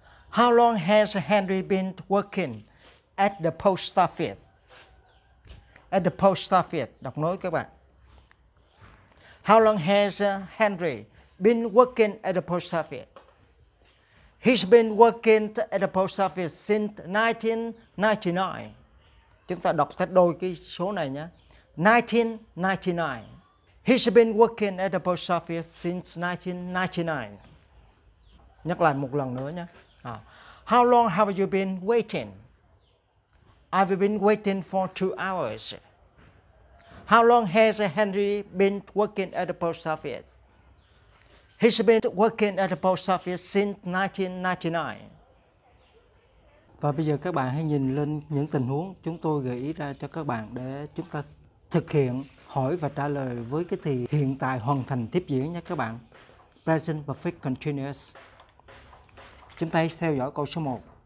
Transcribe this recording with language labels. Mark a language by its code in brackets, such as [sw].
[en] How long has Henry been working at the post office? At the post office, [vi] đọc nối các bạn. [en] How long has Henry been working at the post office? He's been working at the post office since 1999. [vi] Chúng ta đọc thách đôi cái số này nhé. [en] 1999. He's been working at the post office since 1999. [vi] Nhắc lại một lần nữa nhé. [en] How long have you been waiting? I've been waiting for 2 hours. How long has Henry been working at the post office? He's been working at the post office since 1999. [vi] Và bây giờ các bạn hãy nhìn lên những tình huống chúng tôi gợi ý ra cho các bạn để chúng ta thực hiện hỏi và trả lời với cái thì hiện tại hoàn thành tiếp diễn nha các bạn. [en] Present perfect continuous. [vi] Chúng ta hãy theo dõi câu số 1.